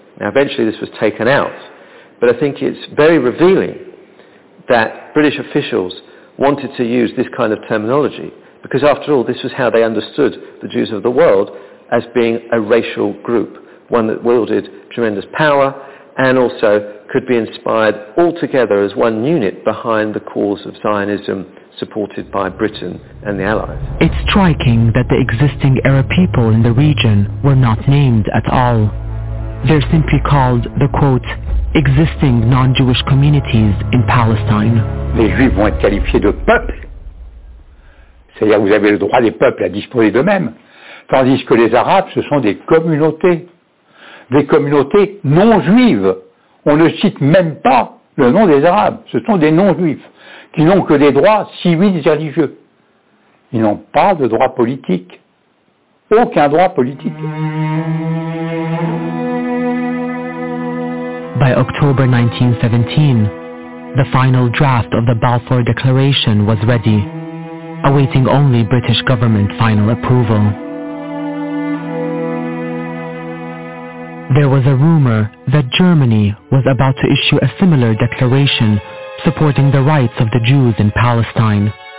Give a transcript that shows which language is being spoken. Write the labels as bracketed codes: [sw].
[en] Now, eventually this was taken out, but I think it's very revealing that British officials wanted to use this kind of terminology, because after all, this was how they understood the Jews of the world, as being a racial group, one that wielded tremendous power and also could be inspired altogether as one unit behind the cause of Zionism supported by Britain and the Allies. It's striking that the existing Arab people in the region were not named at all. They're simply called the, quote, existing non-Jewish communities in Palestine. [fr] Les Juifs vont être qualifiés de peuple. C'est-à-dire que vous avez le droit des peuples à disposer d'eux-mêmes. Tandis que les Arabes, ce sont des communautés non-juives. On ne cite même pas le nom des Arabes, ce sont des non-juifs, qui n'ont que des droits civils et religieux. Ils n'ont pas de droit politique, aucun droit politique. [en] By October 1917, the final draft of the Balfour Declaration was ready, awaiting only British government final approval. There was a rumor that Germany was about to issue a similar declaration supporting the rights of the Jews in Palestine.